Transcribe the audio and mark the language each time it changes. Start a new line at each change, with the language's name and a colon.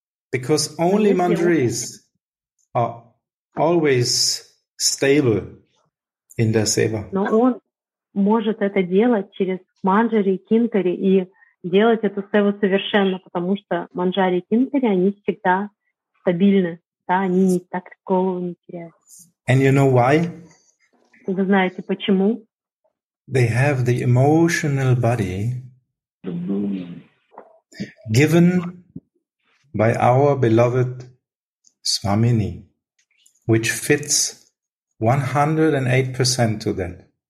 English: Because only Manjaris are always stable in their seva.
Russian: Но он может это делать через Манджари и Кинкари и делать эту севу совершенно, потому что Манджари и Кинкари, они всегда стабильны, да, они не так голову не теряют.
English: And you know why?
Russian: Вы знаете почему?
English: They have the emotional body given by our beloved Swamini, which fits 108% to that.